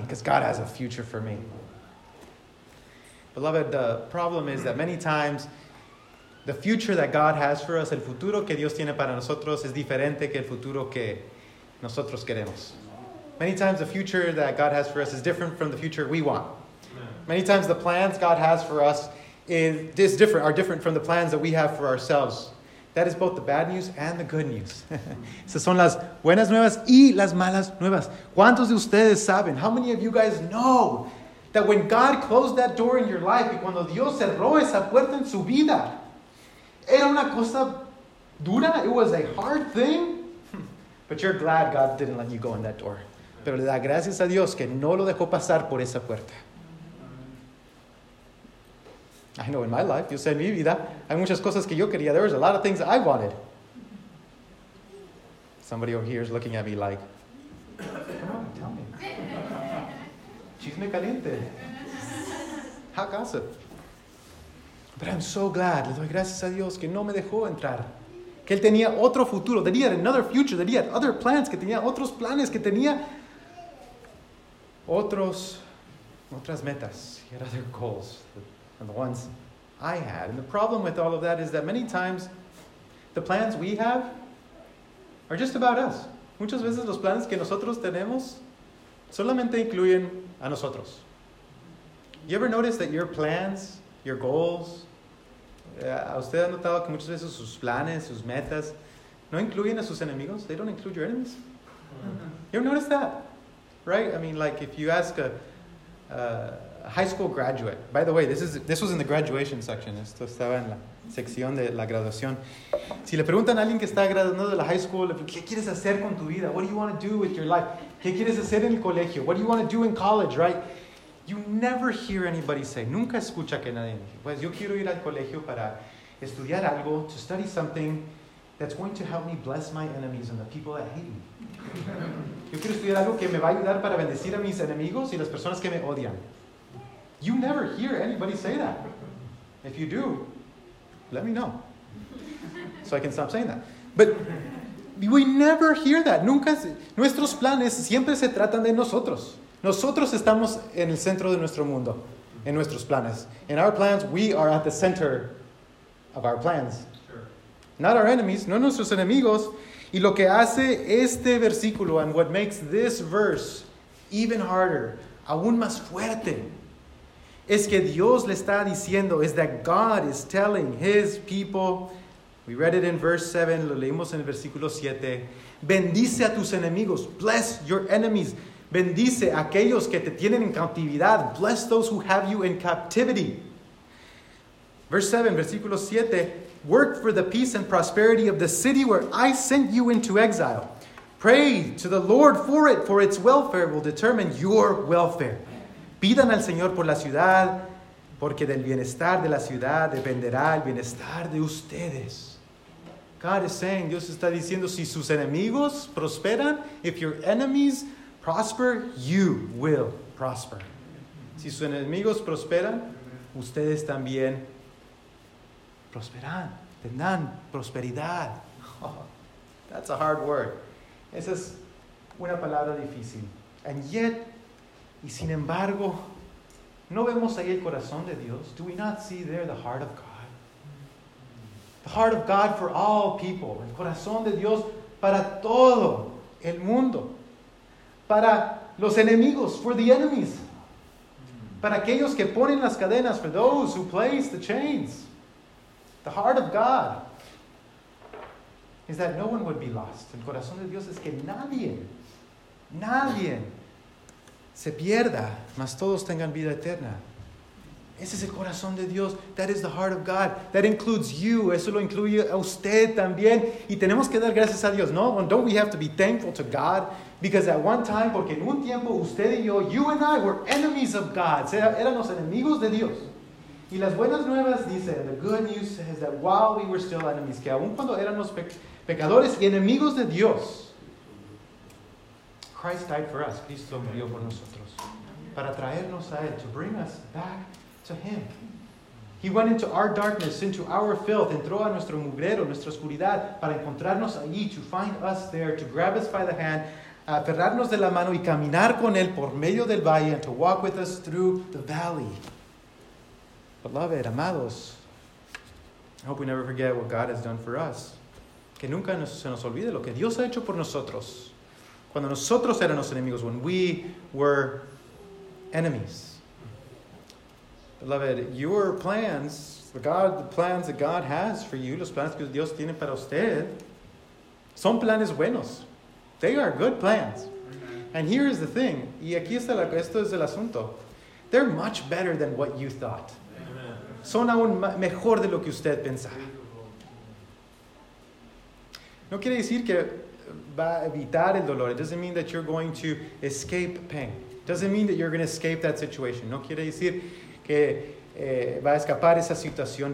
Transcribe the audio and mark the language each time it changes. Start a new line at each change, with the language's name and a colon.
English: Because God has a future for me. Beloved, the problem is that many times, the future that God has for us,
Spanish: el futuro que Dios tiene para nosotros, es diferente que el futuro que nosotros queremos.
English: Many times the future that God has for us is different from the future we want. Many times the plans God has for us are different from the plans that we have for ourselves. That is both the bad news and the good news.
Spanish: Esas son las buenas nuevas y las malas nuevas. ¿Cuántos de ustedes saben?
English: How many of you guys know that when God closed that door in your life,
Spanish: y cuando Dios cerró esa puerta en su vida, era una cosa dura.
English: It was a hard thing. But you're glad God didn't let you go in that door.
Spanish: Pero le da gracias a Dios que no lo dejó pasar por esa puerta.
English: I know in my life,
Spanish: Dios en mi vida, hay muchas cosas que yo quería.
English: There was a lot of things I wanted. Somebody over here is looking at me like, come on, tell me.
Spanish: Chisme caliente.
English: Hot gossip. But I'm so glad.
Spanish: Le doy gracias a Dios que no me dejó entrar. Que él tenía otro futuro.
English: That he had another future. That he had other plans.
Spanish: Que tenía otros planes. Que tenía otras metas.
English: He had other goals than the ones I had. And the problem with all of that is that many times the plans we have are just about us.
Spanish: Muchas veces los planes que nosotros tenemos solamente incluyen a nosotros.
English: You ever notice that your plans, your goals,
Spanish: usted ha notado que muchas veces sus planes, sus metas, no incluyen a sus enemigos?
English: They don't include your enemies. You ever notice that? Right? I mean, like, if you ask a high school graduate, by the way, this was in the graduation section.
Spanish: Esto estaba en la sección de la graduación. Si le preguntan a alguien que está graduando de la high school, ¿qué quieres hacer con tu vida?
English: What do you want to do with your life?
Spanish: ¿Qué quieres hacer en el colegio?
English: What do you want to do in college, right? You never hear anybody say,
Spanish: nunca escucha que nadie dice, pues yo quiero ir al colegio para estudiar algo,
English: to study something that's going to help me bless my enemies and the people that hate me.
Spanish: Yo quiero estudiar algo que me va a ayudar para bendecir a mis enemigos y las personas que me odian.
English: You never hear anybody say that. If you do, let me know, so I can stop saying that. But we never hear that.
Spanish: Nunca. Nuestros planes siempre se tratan de nosotros. Nosotros estamos en el centro de nuestro mundo, en nuestros planes.
English: In our plans, we are at the center of our plans. Sure. Not our enemies,
Spanish: no nuestros enemigos. Y lo que hace este versículo,
English: and what makes this verse even harder,
Spanish: aún más fuerte, es que Dios le está diciendo,
English: is that God is telling his people, we read it in verse 7,
Spanish: lo leímos en el versículo 7, bendice a tus enemigos,
English: bless your enemies,
Spanish: bendice a aquellos que te tienen en cautividad,
English: bless those who have you in captivity. Verse 7,
Spanish: versículo 7,
English: work for the peace and prosperity of the city where I sent you into exile. Pray to the Lord for its welfare will determine your welfare.
Spanish: Pidan al Señor por la ciudad, porque del bienestar de la ciudad dependerá el bienestar de ustedes.
English: God is saying,
Spanish: Dios está diciendo, si sus enemigos prosperan,
English: if your enemies prosper, you will prosper.
Spanish: Si sus enemigos prosperan, ustedes también prosperan, tendrán prosperidad.
English: Oh, that's a hard word.
Spanish: Esa es una palabra difícil.
English: And yet,
Spanish: y sin embargo, ¿no vemos ahí el corazón de Dios?
English: Do we not see there the heart of God? The heart of God for all people.
Spanish: El corazón de Dios para todo el mundo. Para los enemigos,
English: for the enemies.
Spanish: Para aquellos que ponen las cadenas,
English: for those who place the chains. The heart of God is that no one would be lost.
Spanish: El corazón de Dios es que nadie se pierda, mas todos tengan vida eterna. Ese es el corazón de Dios.
English: That is the heart of God. That includes you.
Spanish: Eso lo incluye a usted también. Y tenemos que dar gracias a Dios.
English: No, don't we have to be thankful to God? Because at one time,
Spanish: porque en un tiempo, usted y yo,
English: you and I were enemies of God.
Spanish: Éramos enemigos de Dios. Y las buenas nuevas dicen,
English: the good news says that while we were still enemies,
Spanish: que aun cuando éramos pecadores y enemigos de Dios,
English: Christ died for us.
Spanish: Cristo murió por nosotros. Para traernos a Él.
English: To bring us back to Him. He went into our darkness, into our filth.
Spanish: Entró a nuestro mugrero, nuestra oscuridad. Para encontrarnos allí.
English: To find us there. To grab us by the hand.
Spanish: Aferrarnos de la mano y caminar con Él por medio del valle.
English: And to walk with us through the valley. Beloved, amados. I hope we never forget what God has done for us.
Spanish: Que nunca se nos olvide lo que Dios ha hecho por nosotros. Cuando nosotros éramos enemigos,
English: when we were enemies. Beloved, your plans, the plans that God has for you,
Spanish: los planes que Dios tiene para usted,
English: son planes buenos. They are good plans. And here is the thing,
Spanish: y aquí está esto es el asunto.
English: They're much better than what you thought.
Spanish: Son aún mejor de lo que usted pensaba. No quiere decir que va a evitar el dolor.
English: It doesn't mean that you're going to escape pain. It doesn't mean that you're going to escape that situation.
Spanish: No quiere decir que va a escapar esa situación.